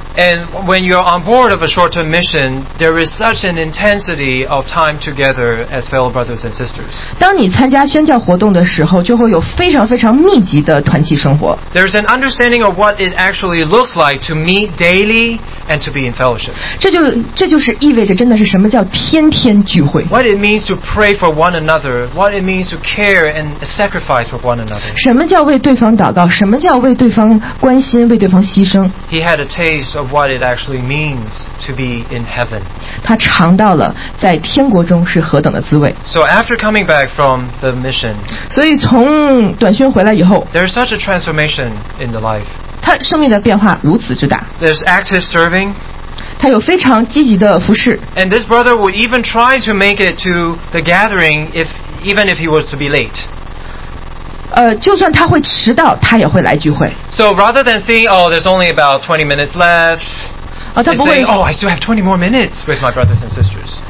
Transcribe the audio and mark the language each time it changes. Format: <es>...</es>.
<en>And when you're on board of a short-term mission, there is such an intensity of time together as fellow brothers and sisters.</en> <zh>当你参加宣教活动的时候，就会有非常非常密集的团契生活。</zh> <en>There's an understanding of what it actually looks like to meet daily and to be in fellowship.</en> <zh>这就是意味着真的是什么叫天天聚会。</zh> <en>What it means to pray for one another, what it means to care and sacrifice for one another.</en> <zh>什么叫为对方祷告？什么叫为对方关心？为对方牺牲？</zh> <en>He had a taste. Of what it actually means to be in heaven.</en> <zh>他尝到了在天国中是何等的滋味。</zh> <en>So after coming back from the mission,</en> <zh>所以从短宣回来以后，</zh> <en>there's such a transformation in the life.</en> <zh>他生命的变化如此之大。</zh> <en>There's active serving.</en> <zh>他有非常积极的服事。</zh> <en>And this brother would even try to make it to the gathering even if he was to be late.</en> <zh>就算他会迟到，他也会来聚会。</zh> <en>So rather than saying, "Oh, there's only about 20 minutes left," he's saying, "Oh, I still have 20 more minutes with my brothers and sisters."</en>